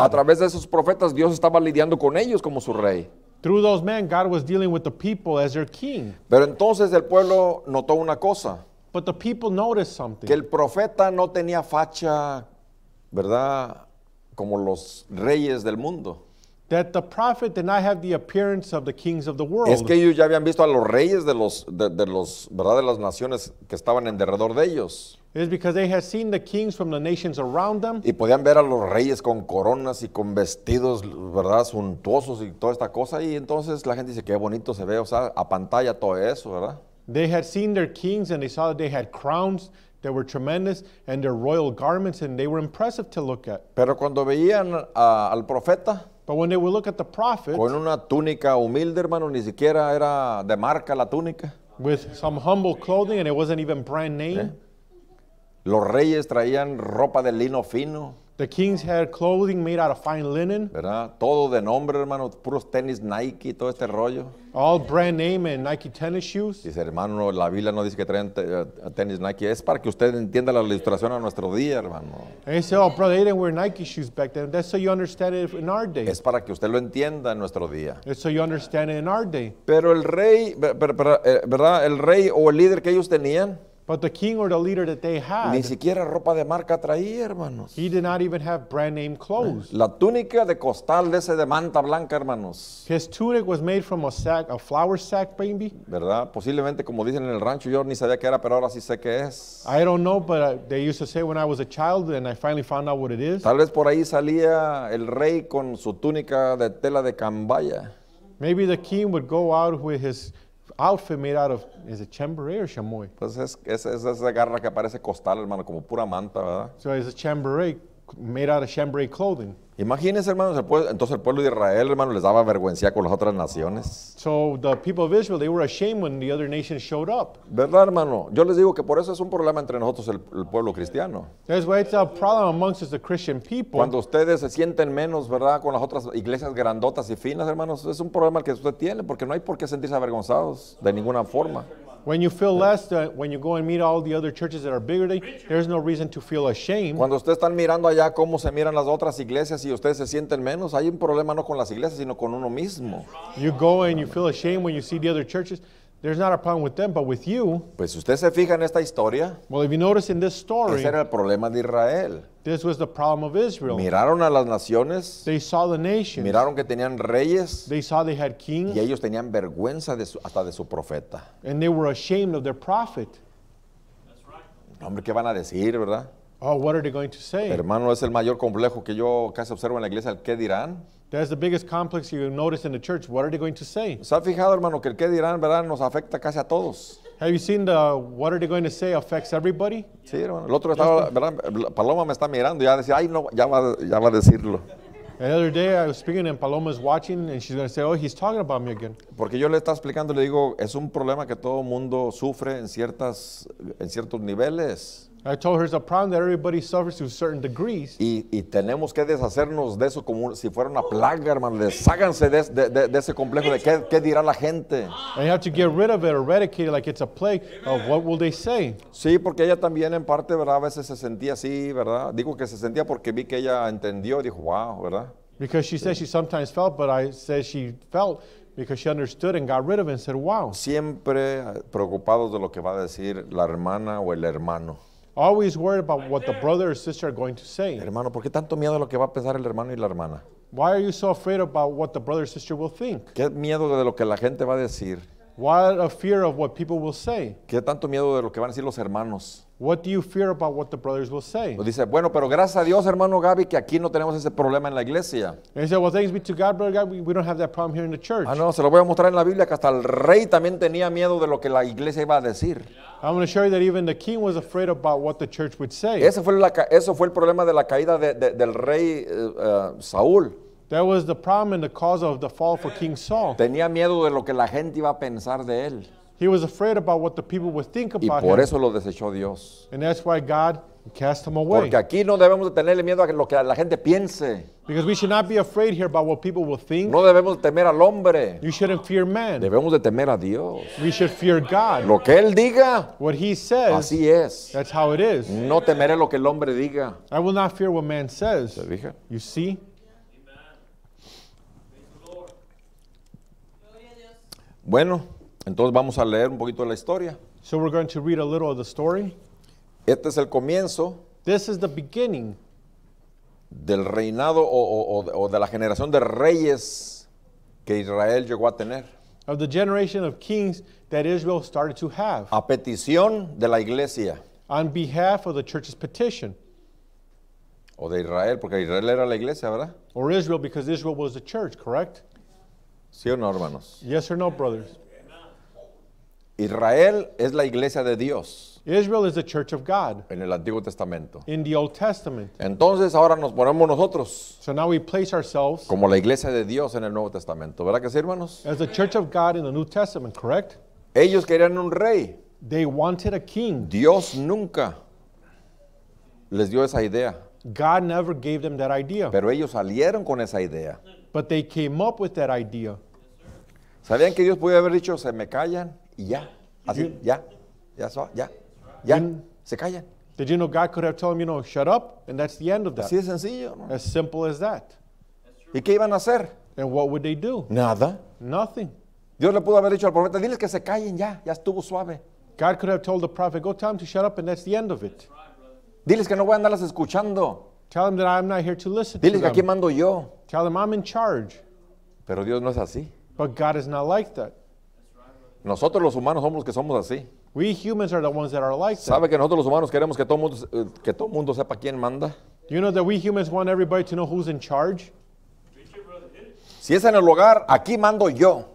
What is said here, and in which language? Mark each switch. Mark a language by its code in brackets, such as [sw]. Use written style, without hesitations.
[es] A través de esos profetas Dios estaba lidiando con ellos como su rey. [en] Through those men God was dealing with the people as their king. [es] Pero entonces el pueblo notó una cosa. [en] But the people noticed something. [es] Que el profeta no tenía facha, ¿verdad?, como los reyes del mundo. [en] That the prophet did not have the appearance of the kings of the world. [es] Es que ellos ya habían visto a los reyes de los de los verdad de las naciones que estaban en derredor de ellos. [en] It's because they had seen the kings from the nations around them. [es] Y podían ver a los reyes con coronas y con vestidos, verdad, suntuosos y toda esta cosa. Y entonces la gente dice qué bonito se ve, o sea, a pantalla todo eso, ¿verdad? [en] They had seen their kings and they saw that they had crowns that were tremendous and their royal garments and they were impressive to look at. [es] Pero cuando veían al profeta. [en] But when they would look at the prophet. [es] Con una túnica humilde, hermano, ni siquiera era de marca la túnica. [en] With some humble clothing and it wasn't even brand name. ¿Eh? [es] Los reyes traían ropa de lino fino. [en] The kings had clothing made out of fine linen. [es] ¿Verdad? Todo de nombre, hermano, puros tenis Nike, todo este rollo. [en] All brand name and Nike tennis shoes. [es] Dice, hermano, la Biblia no dice que traen tenis Nike. Es para que usted entienda la ilustración a nuestro día, hermano. [en] And he said, oh, brother, they didn't wear Nike shoes back then. That's so you understand it in our day. [es] Es para que usted lo entienda en nuestro día. [en] It's so you understand it in our day. [es] Pero el rey, ¿verdad? El rey o el líder que ellos tenían. [en] But the king or the leader that they had. [es] Ni siquiera ropa de marca traía, hermanos. [en] He did not even have brand name clothes. [es] La túnica de costal de ese de manta blanca, hermanos. [en] His tunic was made from a sack, a flour sack, baby. [es] ¿Verdad? Posiblemente, como dicen en el rancho, yo ni sabía qué era, pero ahora sí sé qué es. [en] I don't know, but they used to say when I was a child, and I finally found out what it is. [es] Tal vez por ahí salía el rey con su túnica de tela de cambaya. [en] Maybe the king would go out with his outfit made out of, is it chambray or chamoy? [es] Pues es esa garra que parece costal, hermano, como pura manta, ¿verdad? [en] So it's a chambray made out of chambray clothing. [es] Imagínense, hermano, entonces el pueblo de Israel, hermano, les daba vergüenza con las otras naciones. [en] So the people of Israel, they were ashamed when the other nations showed up. [es] ¿Verdad, hermano? Yo les digo que por eso es un problema entre nosotros el pueblo cristiano. [en] That's why it's a problem amongst us, the Christian people. [es] Cuando ustedes se sienten menos, ¿verdad?, con las otras iglesias grandotas y finas, hermanos, es un problema que usted tiene, porque no hay por qué sentirse avergonzados de ninguna forma. [en] When you feel less than when you go and meet all the other churches that are bigger than you, there's no reason to feel ashamed. [es] Cuando ustedes están mirando allá cómo se miran las otras iglesias y ustedes se sienten menos, hay un problema no con las iglesias sino con uno mismo. [en] You go and you feel ashamed when you see the other churches. There's not a problem with them, but with you. [es] Pues usted se fija en esta historia. [en] Well, if you notice in this story. [es] Ese era el problema de Israel. [en] This was the problem of Israel. [es] Miraron a las naciones. [en] They saw the nations. [es] Miraron que tenían reyes. [en] They saw they had kings. [es] Y ellos tenían vergüenza hasta de su profeta. [en] And they were ashamed of their prophet. That's right. [es] Hombre, ¿qué van a decir, verdad? [en] Oh, what are they going to say? [es] Hermano, es el mayor complejo que yo casi observo en la iglesia, el qué dirán. [en] That's the biggest complex you notice in the church. What are they going to say? [es] ¿Se ha fijado, hermano, que el qué dirán, verdad, nos afecta casi a todos? [en] Have you seen the what are they going to say affects everybody? [es] Sí, hermano. El otro estaba, verdad, Paloma me está mirando y ya decía, ay, no, ya va a decirlo. [en] The other day I was speaking and Paloma's watching and she's going to say, oh, he's talking about me again. [es] Porque yo le estaba explicando, le digo, es un problema que todo mundo sufre en ciertos niveles. [en] I told her it's a problem that everybody suffers to certain degrees. [es] Y tenemos que deshacernos de eso como si fuera una plaga, hermano. Deshaganse de ese complejo de qué dirá la gente. [en] And you have to get rid of it, eradicate it like it's a plague. Of what will they say? [es] Sí, porque ella también en parte, ¿verdad? A veces se sentía así, ¿verdad? Digo que se sentía porque vi que ella entendió y dijo, wow, ¿verdad? [en] Because she said she sometimes felt, but I said she felt because she understood and got rid of it and said, wow. [es] Siempre preocupados de lo que va a decir la hermana o el hermano. [en] Always worried about what the brother or sister are going to say. [es] Hermano, ¿por qué tanto miedo a lo que va a pensar el hermano y la hermana? [en] Why are you so afraid about what the brother or sister will think? [es] ¿Qué miedo de lo que la gente va a decir? [en] What a fear of what people will say. [es] ¿Qué tanto miedo de lo que van a decir los hermanos? [en] What do you fear about what the brothers will say? [es] Dice, bueno, pero gracias a Dios, hermano Gaby, que aquí no tenemos ese problema en la iglesia. [en] He said, well, thanks be to God, brother Gaby, we don't have that problem here in the church. [es] Ah, no, se lo voy a mostrar en la Biblia, que hasta el rey también tenía miedo de lo que la iglesia iba a decir. [en] I'm going to show you that even the king was afraid about what the church would say. [es] Eso fue el problema de la caída del rey Saúl. [en] That was the problem and the cause of the fall for King Saul. [es] Tenía miedo de lo que la gente iba a pensar de él. [en] He was afraid about what the people would think about him. [es] Y por eso lo desechó Dios. [en] And that's why God cast him away. [es] Porque aquí no debemos de tenerle miedo a lo que la gente piense. [en] Because we should not be afraid here about what people will think. [es] No debemos temer al hombre. [en] You shouldn't fear man. [es] Debemos de temer a Dios. [en] We should fear God. [es] Lo que él diga. [en] What he says. [es] Así es. [en] That's how it is. [es] No temeré lo que el hombre diga. [en] I will not fear what man says. [es] ¿Se fija? [en] You see? [es] Bueno, entonces vamos a leer un poquito de la historia. [en] So we're going to read a little of the story. [es] Este es el comienzo. [en] This is the beginning. [es] del reinado o de la generación de reyes que Israel llegó a tener. [en] Of the generation of kings that Israel started to have. [es] A petición de la iglesia. [en] On behalf of the church's petition. [es] O de Israel, porque Israel era la iglesia, ¿verdad? [en] Or Israel, because Israel was the church, correct? [es] ¿Sí o no, hermanos? [en] Yes or no, brothers? [es] Israel es la iglesia de Dios. [en] Israel is the church of God. [es] En el Antiguo Testamento. [en] In the Old Testament. [es] Entonces, ahora nos ponemos nosotros. [en] So now we place ourselves. [es] Como la iglesia de Dios en el Nuevo Testamento. ¿Verdad que sí, hermanos? [en] As the church of God in the New Testament, correct? [es] Ellos querían un rey. [en] They wanted a king. [es] Dios nunca les dio esa idea. [en] God never gave them that idea. [es] Pero ellos salieron con esa idea. [en] But they came up with that idea. [es] ¿Sabían que Dios podía haber dicho, se me callan y ya? Así, ya, ya, ya, ya, ya, se callan. [en] Did you know God could have told them, you know, shut up, and that's the end of that. [es] Así de sencillo. [en] As simple as that. [es] ¿Y qué iban a hacer? [en] And what would they do? [es] Nada. [en] Nothing. [es] Dios le pudo haber dicho al profeta, diles que se callen ya, ya estuvo suave. [en] God could have told the prophet, go tell him to shut up, and that's the end of it. [es] Diles que no voy a andarlas escuchando. [en] Tell them that I'm not here to listen. [es] Diles que aquí mando yo. [en] Tell them I'm in charge. [es] Pero Dios no es así. [en] But God is not like that. [es] Nosotros los humanos somos los que somos así. [en] We humans are the ones that are like that. [es] ¿Sabe que nosotros los humanos queremos que todo mundo sepa quién manda? [en] Do you know that we humans want everybody to know who's in charge? [es] Si es en el hogar, aquí mando yo.